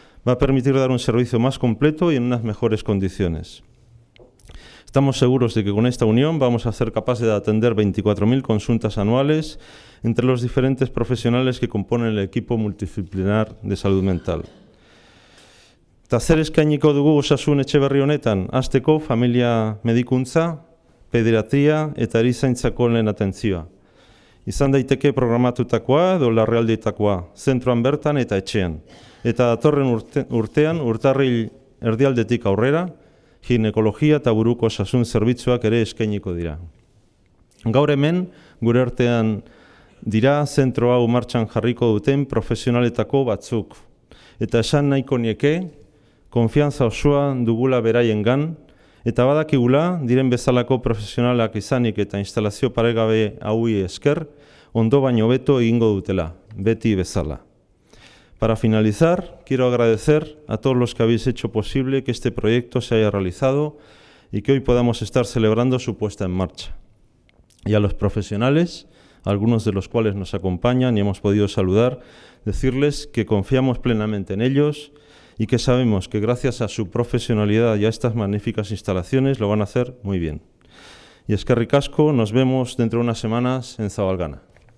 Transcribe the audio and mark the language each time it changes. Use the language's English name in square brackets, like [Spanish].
[Spanish] Va a permitir dar un servicio más completo y en unas mejores condiciones. Estamos seguros de que con esta unión vamos a ser capaces de atender 24.000 consultas anuales entre los diferentes profesionales que componen el equipo multidisciplinar de salud mental. [Basque] Tazer eskainiko dugu osasun etxe berri honetan, hasteko familia medikuntza, pediatria eta erizaintzako lehen atentzioa. Izan daiteke programatutakoa edo larrealdietakoa, zentroan bertan eta etxean. Eta datorren urtean, urtarril erdialdetik aurrera, ginekologia eta buruko osasun zerbitzuak ere eskainiko dira. Gaur hemen, gure artean dira, zentro hau martxan jarriko duten profesionaletako batzuk. Eta esan nahiko nieke, konfiantza osoa dugula beraiengan, eta badakigula, diren bezalako profesionalak izanik eta instalazio paregabe haui esker, ondo baino beto egingo dutela, beti bezala. [Spanish] Para finalizar, quiero agradecer a todos los que habéis hecho posible que este proyecto se haya realizado y que hoy podamos estar celebrando su puesta en marcha. Y a los profesionales, algunos de los cuales nos acompañan y hemos podido saludar, decirles que confiamos plenamente en ellos y que sabemos que gracias a su profesionalidad y a estas magníficas instalaciones lo van a hacer muy bien. Y [Basque] eskerrik asko, [Spanish] nos vemos dentro de unas semanas en Zabalgana.